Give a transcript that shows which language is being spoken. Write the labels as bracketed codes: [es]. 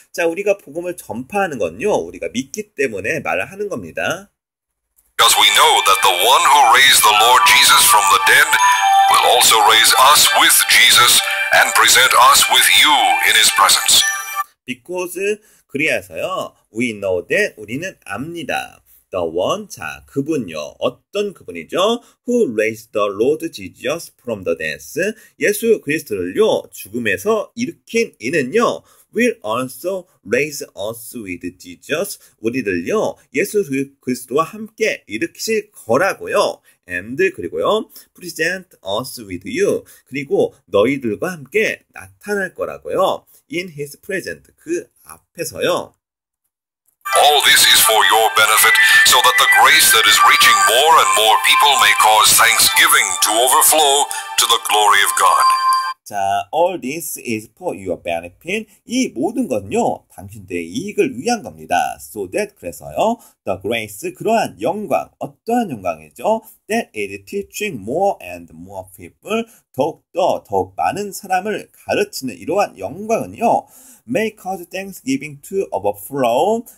[ko] 자, 우리가 복음을 전파하는 건요, 우리가 믿기 때문에 말을 하는 겁니다. [en] Because we know that the one who raised the Lord Jesus from the dead will also raise us with Jesus and present us with you in his presence. Because, [ko] 그리하여서요, [en] we know that, [ko] 우리는 압니다. [en] The one, [ko] 자, 그분요, 어떤 그분이죠? [en] Who raised the Lord Jesus from the dead, [ko] 예수 그리스도를요, 죽음에서 일으킨 이는요, [en] will also raise us with Jesus, [ko] 우리를요, 예수 그리스도와 함께 일으키실 거라고요, [en] and, [ko] 그리고요, [en] present us with you, [ko] 그리고 너희들과 함께 나타날 거라고요, [en] in his presence, [ko] 그 앞에서요. [en] All this is for your benefit, so that the grace that is reaching more and more people may cause thanksgiving to overflow to the glory of God. 자, all this is for your benefit. [ko] 이 모든 것은요, 당신들의 이익을 위한 겁니다. [en] So that, [ko] 그래서요, [en] the grace, [ko] 그러한 영광, 어떠한 영광이죠? [en] That is teaching more and more people, [ko] 더욱더, 더욱 많은 사람을 가르치는 이러한 영광은요, [en] may cause thanksgiving to overflow.